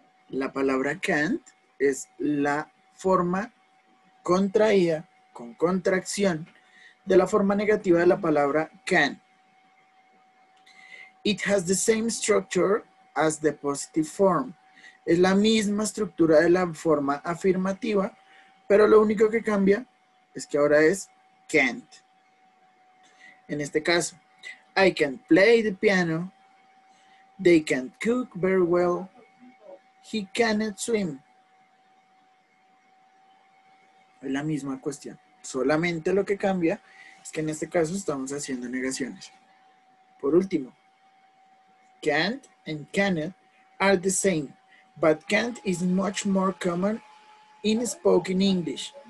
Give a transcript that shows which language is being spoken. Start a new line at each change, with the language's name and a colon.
Spanish: La palabra can't es la forma contraída, con contracción, de la forma negativa de la palabra can.
English: It has the same structure as the positive form.
Spanish: Es la misma estructura de la forma afirmativa, pero lo único que cambia es que ahora es can't. En este caso,
English: I can play the piano, they can cook very well, he cannot swim.
Spanish: Es la misma cuestión. Solamente lo que cambia es que en este caso estamos haciendo negaciones. Por último,
English: can't and cannot are the same, but can't is much more common in spoken English.